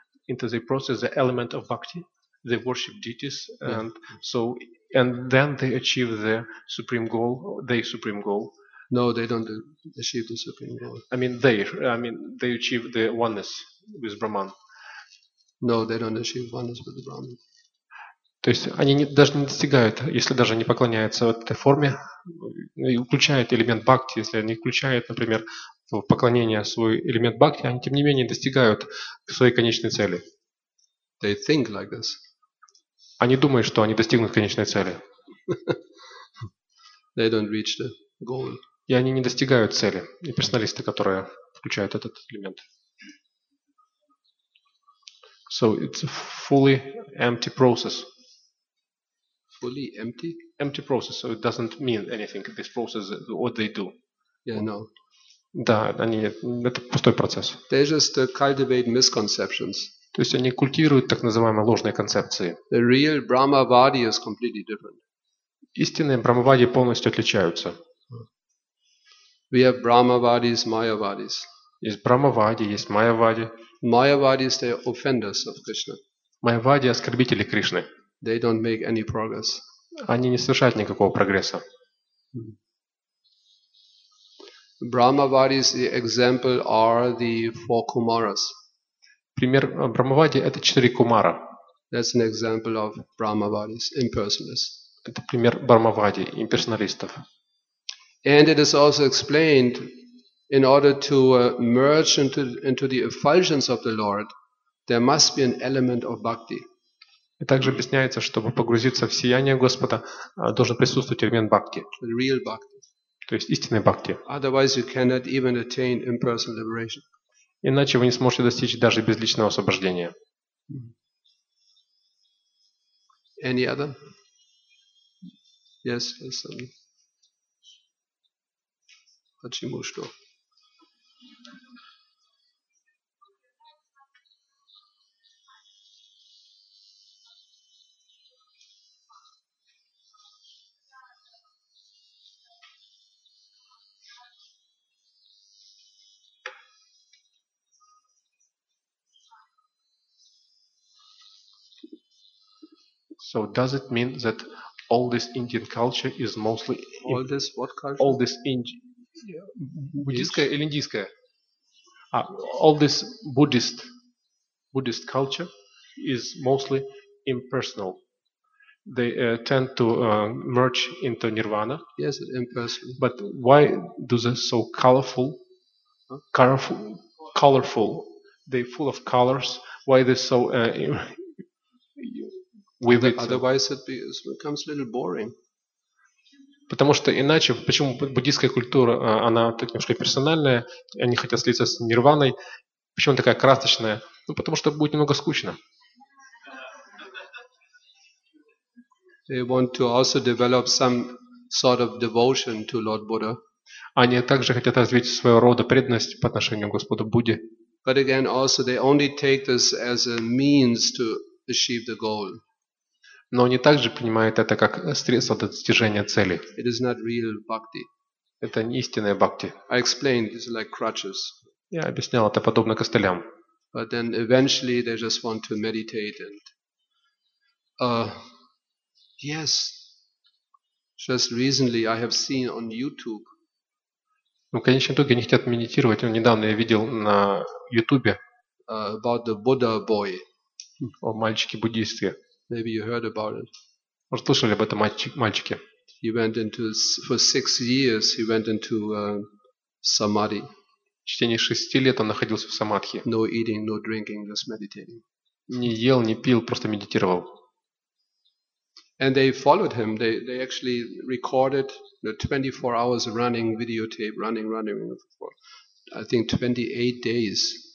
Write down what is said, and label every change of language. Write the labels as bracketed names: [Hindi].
[English] Into the process the element of bhakti, the worship deities, and so, and then they achieve their supreme goal, their supreme goal. No, they don't achieve the supreme goal. I mean they achieve the oneness with Brahman. No, they don't achieve oneness with the Brahman. [Russian] То есть они не, даже не достигают, если даже не поклоняются вот этой форме, и включают элемент бхакти, если они включают, например, в поклонение свой элемент бхакти, они тем не менее достигают своей конечной цели. [English] They think like this. [Russian] Они думают, что они достигнут конечной цели. [English] They don't reach the goal. [Russian] И они не достигают цели, и персоналисты, которые включают этот элемент. [English] So it's a fully empty process. Fully empty? Empty process, so it doesn't mean anything, this process, what they do. Yeah, no. [Russian] Да, они, это пустой процесс. [English] They just cultivate misconceptions. [Russian] То есть они культивируют так называемые ложные концепции. [English] The real Brahmavadi is completely different. [Russian] Истинные Брахмавади полностью отличаются. [English] We have Brahmavadis, Mayavadis. [Russian] Есть Брахмавади, есть Майявади. [English] Mayavadis, they are offenders of Krishna. [Russian] Майявади – оскорбители Кришны. [English] They don't make any progress. [Russian] Они не совершают никакого прогресса. [English] Brahmavadis, the example are the four Kumaras. [Russian] Пример Брахмавади – это четыре Кумара. [English] That's an example of Brahmavadis, impersonalists. [Russian] Это пример Брахмавади, имперсоналистов. [English] And it is also explained in order to merge into the effulgence of the Lord, there must be an element of bhakti. [Russian] И также объясняется, чтобы погрузиться в сияние Господа, должен присутствовать элемент бхакти. [English] Real bhakti. [Russian] То есть истинный бхакти. [English] Otherwise you cannot even attain impersonal liberation. [Russian] Иначе вы не сможете достичь даже безличного освобождения. [English] Any other? Yes, yes, sir. [Russian] Почему что? [English] So does it mean that all this Indian culture is mostly all this what culture? All this Indian. Yeah. [Russian] Буддийская или индийская? [English] All this Buddhist culture is mostly impersonal. They tend to merge into nirvana. Yes, impersonal. But why do they so colorful, colorful? They full of colors. Why they so with it? Otherwise, it becomes a little boring. [Russian] Потому что иначе, почему буддийская культура, она так немножко персональная, они хотят слиться с нирваной, почему она такая красочная? Ну, потому что будет немного скучно. [English] They want to also develop some sort of devotion to Lord Buddha. [Russian] Они также хотят развить своего рода преданность по отношению к Господу Будде. [English] But again, also they only take this as a means to achieve the goal. [Russian] Но они также принимают это как средство для достижения цели. [English] It is not real bhakti. [Russian] Это не истинная бхакти. [English] I explained it's like crutches. [Russian] Я объяснял это подобно костылям. [English] But then eventually they just want to meditate and yes. Just recently I have seen on YouTube. [Russian] Ну, в конечном итоге они хотят медитировать. Но недавно я видел на YouTube [English] about the Buddha boy. [Russian] О мальчике-буддисте. [English] Maybe you heard about it. [Russian] Может, слышали об этом мальчике? [English] He went into for 6 years. He went into samadhi. [Russian] В течение 6 лет он находился в самадхи. [English] No eating, no drinking, just meditating. [Russian] Не ел, не пил, просто медитировал. [English] And they followed him. They actually recorded the 24 hours running videotape, running for I think 28 days.